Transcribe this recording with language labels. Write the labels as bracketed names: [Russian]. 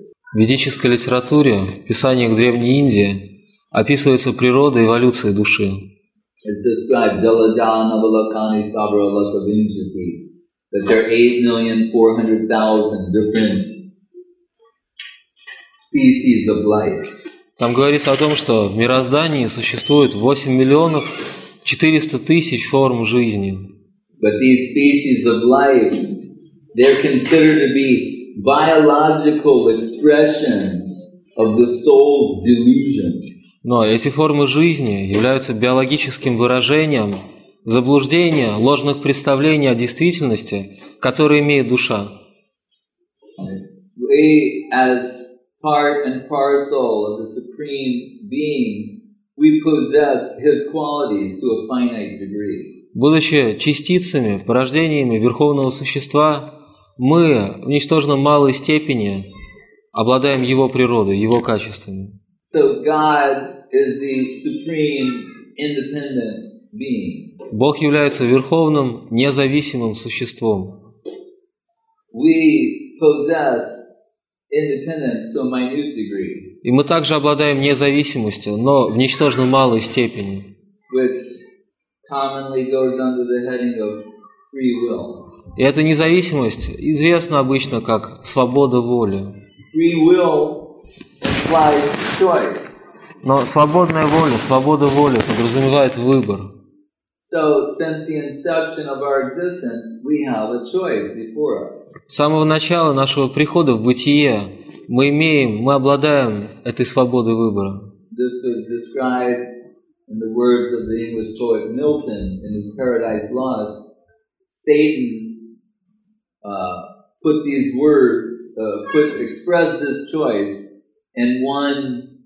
[Russian] В ведической литературе, в писаниях Древней Индии, описывается природа эволюции души. [English] It's described Daladana Valakani Sabra Lakavinjati that there are 8,400,000 different species of life. [Russian] Там говорится о том, что в мироздании существует 8,400,000 форм жизни. [English] But these species of life, they're considered to be biological expressions of the soul's delusion. [Russian] Но эти формы жизни являются биологическим выражением заблуждения, ложных представлений о действительности, которые имеет душа. [English] We, as part and parcel of the Supreme Being, we possess His qualities to a finite degree. [Russian] Будучи частицами, порождениями Верховного Существа, мы в ничтожно малой степени обладаем Его природой, Его качествами. [English] So God is the supreme independent being. [Russian] Бог является верховным независимым существом. [English] We possess independence to a minute degree. [Russian] И мы также обладаем независимостью, но в ничтожно малой степени. [English] Which commonly goes under the heading of free will. [Russian] И эта независимость известна обычно как свобода воли. [English] Free will implies choice. [Russian] Но свободная воля, свобода воли подразумевает выбор. [English] So, since the inception of our existence, we have a choice before us. [Russian] С самого начала нашего прихода в бытие мы обладаем этой свободой выбора. [English] This was described in the words of the English poet Milton in his Paradise Lost. Satan put these words, put express this choice in one